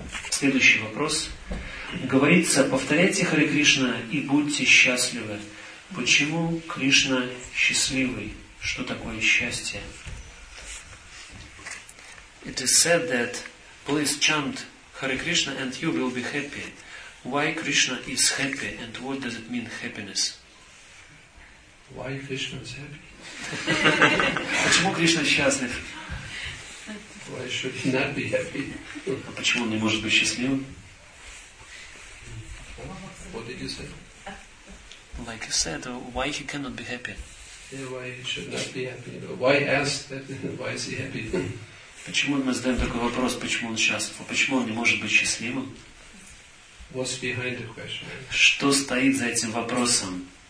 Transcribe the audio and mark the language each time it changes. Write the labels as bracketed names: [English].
[Russian] Следующий вопрос. Говорится, повторяйте Харе Кришна и будьте счастливы. Почему Кришна счастливый? Что такое счастье? [English] It is said that please chant Hare Krishna and you will be happy. Why Krishna is happy and what does it mean happiness? Why Krishna is happy? [Russian] Почему Кришна счастлив? [English] Why should he not be happy? [Russian] А почему он не может быть счастливым? [English] What did you say? Like you said, why he cannot be happy? Yeah, why he should not be happy? Why ask that? Why is he happy? [Russian] Почему мы задаем такой вопрос, почему он счастлив? А почему он не может быть счастливым? [English] What's behind the question? [Russian] Что стоит за этим вопросом?